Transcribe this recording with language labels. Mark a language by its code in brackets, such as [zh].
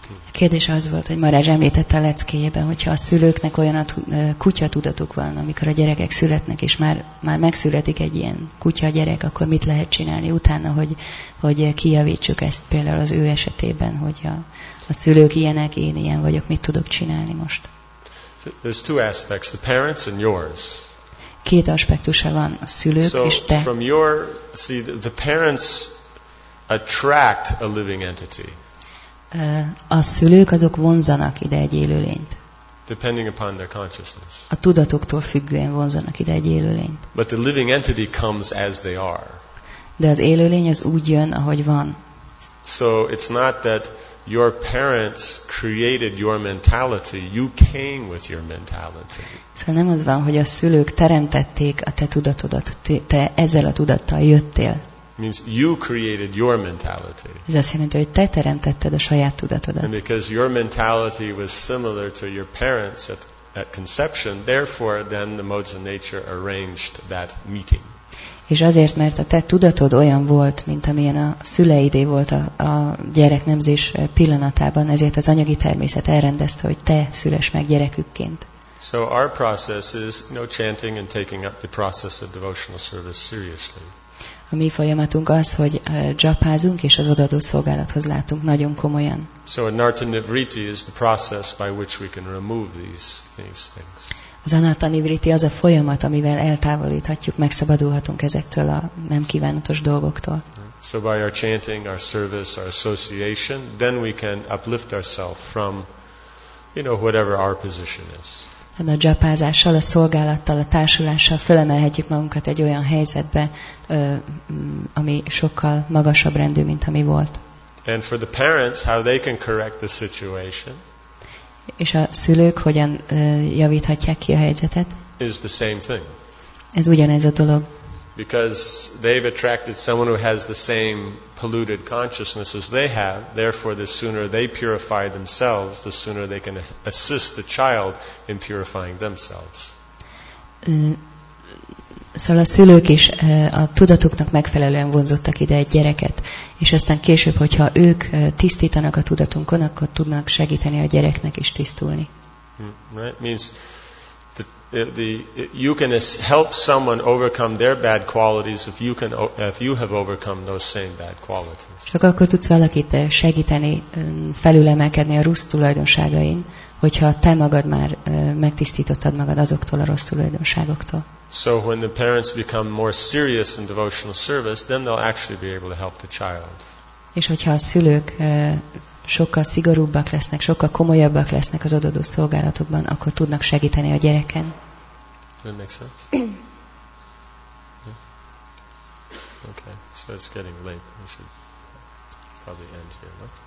[hu] Kérdés az volt, hogy Marázs említette a leckéjében, hogyha a szülőknek olyan a kutya tudatuk van, amikor a gyerekek születnek, és már megszületik egy ilyen kutya gyerek, akkor mit lehet csinálni utána, hogy kijavítsuk ezt például az ő esetében, hogy a szülők ilyenek, én ilyen vagyok, mit tudok csinálni most? [en] There's two aspects, the parents and yours. [hu] Két aspektusa van, a szülők [en] so [hu] és te. [en] So from your, see, the parents attract a living entity. [hu] A szülők azok vonzanak ide egy élőlényt. [en] depending upon their consciousness. [hu] A tudatoktól függően vonzanak ide egy élőlényt. [en] But the living entity comes as they are. [hu] De az élőlény az úgy jön, ahogy van. [en] So it's not that your parents created your mentality, you came with your mentality. [hu] Szóval nem az van, hogy a szülők teremtették a te tudatodat, te ezzel a tudattal jöttél. [en] Means you created your mentality. [hu] Ez azt jelenti, hogy te teremtetted a saját tudatodat. [en] And because your mentality was similar to your parents at conception, therefore then the modes of nature arranged that meeting. [hu] És azért, mert a te tudatod olyan volt, mint amilyen a szüleidé volt a gyereknemzés pillanatában, ezért az anyagi természet elrendezte, hogy te szülesd meg gyerekükként. [en] So our process is, you know, chanting and taking up the process of devotional service seriously. [hu] A mi folyamatunk az, hogy japázunk és az odaadó szolgálathoz látunk nagyon komolyan. [en] So anatta nivritti is the process by which we can remove these things. [hu] Az anatta nivritti az a folyamat, amivel eltávolíthatjuk, megszabadulhatunk ezektől a nem kívánatos dolgoktól. [en] So by our chanting, our service, our association, then we can uplift ourselves from, you know, whatever our position is. [hu] A japázással, a szolgálattal, a társulással fölemelhetjük magunkat egy olyan helyzetbe, ami sokkal magasabb rendű, mint ami volt. [en] And for the parents, how they can correct the situation. [hu] És a szülők hogyan javíthatják ki a helyzetet? [en] Is the same thing. [hu] Ez ugyanez a dolog. [en] Because they've attracted someone who has the same polluted consciousness as they have, therefore the sooner they purify themselves, the sooner they can assist the child in purifying themselves. [hu] Szóval a szülők is a tudatuknak megfelelően vonzottak ide egy gyereket, és aztán később, hogyha ők tisztítanak a tudatunkon, akkor tudnak segíteni a gyereknek is tisztulni. [en] Right? Means the you can help someone overcome their bad qualities if you have overcome those same bad qualities. [hu] Csak akkor tudsz valakit segíteni felülemelkedni a rossz tulajdonságain, hogyha te magad már megtisztítottad magad azoktól a rossz tulajdonságoktól. [en] So when the parents become more serious in devotional service, then they'll actually be able to help the child. [hu] És hogyha a szülők sokkal szigorúbbak lesznek, sokkal komolyabbak lesznek az odaadó szolgálatokban, akkor tudnak segíteni a gyereken. [en] That makes sense. Yeah. Okay, so it's getting late. We should probably end here, no?